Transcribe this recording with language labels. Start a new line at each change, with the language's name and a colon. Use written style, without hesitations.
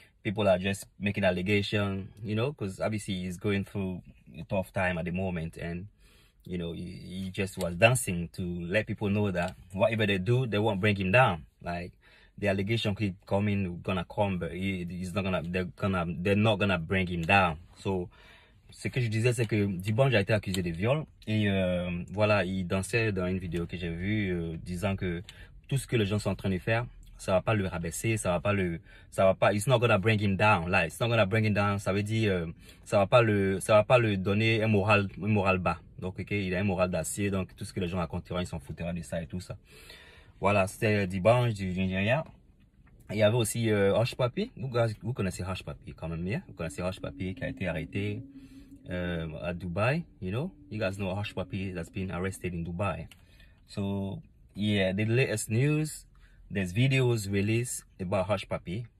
English: People are just making allegations, you know, because obviously he's going through a tough time at the moment. And, you know, he just was dancing to let people know that whatever they do, they won't bring him down. Like, the allegation keep coming, gonna come, but he's not gonna, they're not gonna bring him down.
French: So, ce que je disais, c'est que dimanche, j'ai été accusé de viol. Et voilà, il dansait dans une vidéo que j'ai vue, disant que tout ce que les gens sont en train de faire, ça va pas le rabaisser, ça va pas le, ça va pas,
English: it's not gonna bring him down,
French: like, it's not gonna bring him down, ça veut dire, ça va pas le donner un moral bas. Donc, ok, il a un moral d'acier, donc tout ce que les gens raconteront, ils s'en foutront de ça et tout ça. Voilà, c'était dimanche du Nigeria. Il y avait aussi Hush Puppy. Vous connaissez Hush Puppy quand même bien. Vous connaissez Hush Puppy qui a été arrêté à Dubaï.
English: You know, you guys know Hush Puppy that's been arrested in Dubai. So, yeah, the latest news, there's videos released about Hush Puppy.